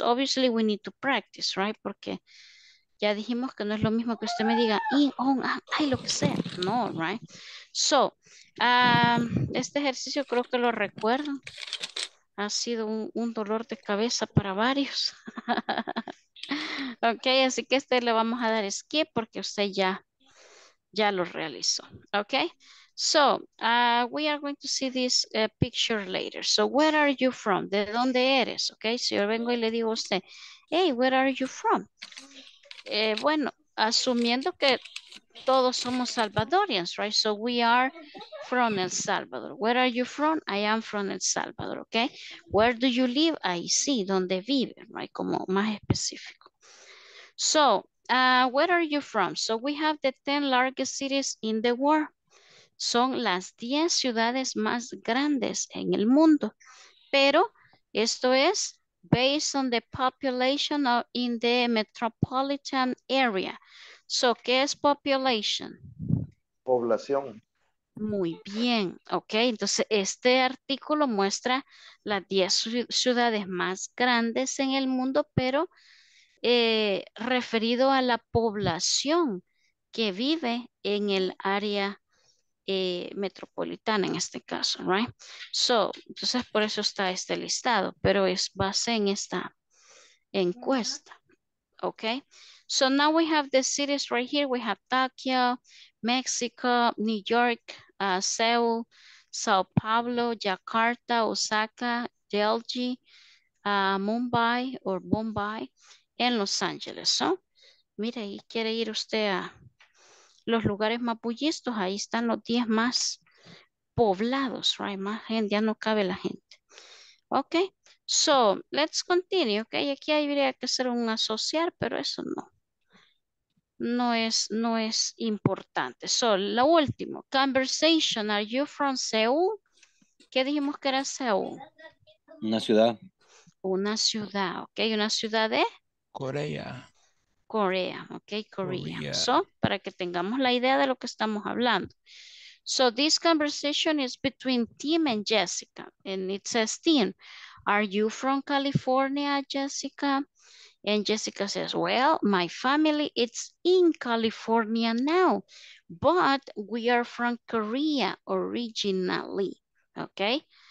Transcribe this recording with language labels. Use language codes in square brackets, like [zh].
[en] Obviously, we need to practice, right? [es] Porque ya dijimos que no es lo mismo que usted me diga in, on, ay, lo que sea. No, right? So, este ejercicio creo que lo recuerdo. Ha sido un dolor de cabeza para varios. Ok, así que este le vamos a dar skip porque usted ya lo realizó. [en] Ok, so we are going to see this picture later. So where are you from? [es] ¿De dónde eres? Ok, si yo vengo y le digo a usted, [en] hey, where are you from? [es] Bueno, asumiendo que todos somos salvadorians, right? [en] So we are from El Salvador. Where are you from? I am from El Salvador, okay? Where do you live? I see, [es] donde vive, [en] right? [es] Como más específico. [en] So, where are you from? So we have the 10 largest cities in the world. [es] Son las 10 ciudades más grandes en el mundo. Pero esto es [en] based on the population of in the metropolitan area. [es] So, ¿qué es population? Población. Muy bien, ok. Entonces, este artículo muestra las 10 ciudades más grandes en el mundo, pero referido a la población que vive en el área metropolitana, en este caso, right? So, entonces, por eso está este listado, pero es base en esta encuesta, ok. [en] So now we have the cities right here. We have Tokyo, Mexico, New York, Seoul, Sao Paulo, Jakarta, Osaka, Delhi, Mumbai or Bombay, and Los Angeles. [es] So, mire, ahí quiere ir usted a los lugares más bullistos. Ahí están los 10 más poblados, right? Más gente, ya no cabe la gente. Okay, So, [en] let's continue, [es] okay? Aquí habría que hacer un asociar, pero eso no. No es importante. So, lo último. Conversation, [en] are you from Seoul? [es] ¿Qué dijimos que era Seoul? Una ciudad. Una ciudad, okay. ¿Una ciudad de? Corea. Corea, okay, Korea. So, para que tengamos la idea de lo que estamos hablando. [en] So, this conversation is between Tim and Jessica. And it says, Tim, are you from California, Jessica? And Jessica says, well, my family is in California now, but we are from Korea originally, okay?